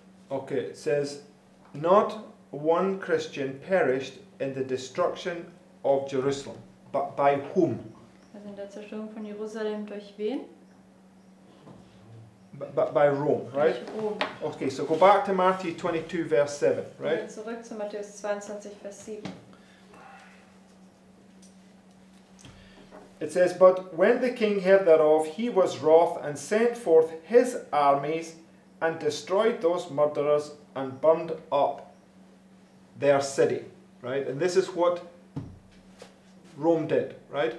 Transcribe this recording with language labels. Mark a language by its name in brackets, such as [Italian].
[English] Okay, it says, not one Christian perished in the destruction of Jerusalem, but by whom? [German] Also in der Zerstörung von Jerusalem durch wen? [English] By Rome, right? [German] Durch Rom. [English] Okay, so go back to Matthew 22, verse 7, right? [German] Und zurück zu Matthäus 22, Vers 7. [English] It says, but when the king heard thereof, he was wroth and sent forth his armies and destroyed those murderers and burned up their city, right? And this is what Rome did, right?